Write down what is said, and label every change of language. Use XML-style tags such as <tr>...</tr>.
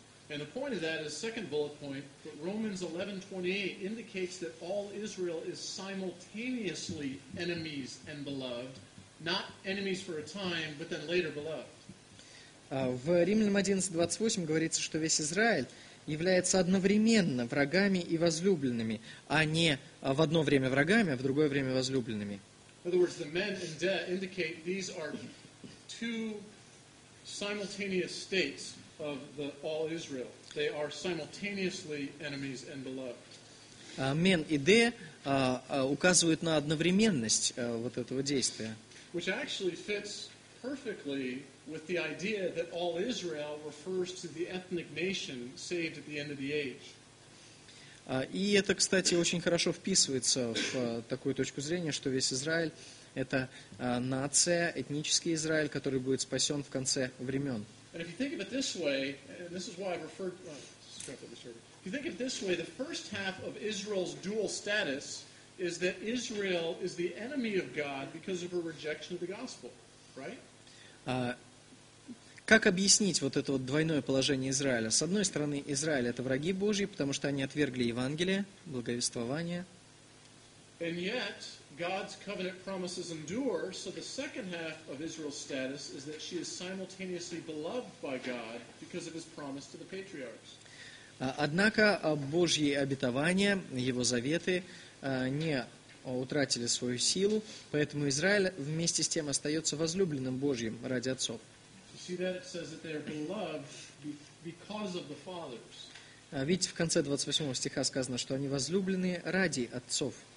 <en>And the point of that is second bullet point, that Romans 11:28 indicates that all Israel is simultaneously enemies and beloved, not enemies for a time, but then later beloved.</en> <ru>В Римлянам 11:28 говорится, что весь Израиль является одновременно врагами и возлюбленными, а не в одно время врагами, а в другое время возлюбленными.</ru> <en>In other words, the men and death indicate these are two simultaneous states of the all Israel. They are simultaneously enemies and beloved.</en> <ru>Men и de указывают на одновременность вот этого действия.</ru> <en>Which actually fits perfectly with the idea that all Israel refers to the ethnic nation saved at the end of the age.</en> <ru>И это, кстати, очень хорошо вписывается в такую точку зрения, что весь Израиль – это нация, этнический Израиль, который будет спасен в конце времен.</ru> <en>And if you think of it this way, and this is why I referred to if you think of it this way, the first half of Israel's dual status is that Israel is the enemy of God because of her rejection of the gospel, right?</en> <ru>Как объяснить вот это вот двойное положение Израиля? С одной стороны, Израиль – это враги Божьи, потому что они отвергли Евангелие, благовествование.</ru> <en>And yet, God's covenant promises endure, so the second half of Israel's status is that she is simultaneously beloved by God because of his promise to the patriarchs.</en> <ru>Однако Божьи обетования, его заветы не утратили свою силу, поэтому Израиль вместе с тем остается возлюбленным Божьим ради отцов. Видите, в конце 28 стиха сказано, что они возлюблены ради отцов.</ru>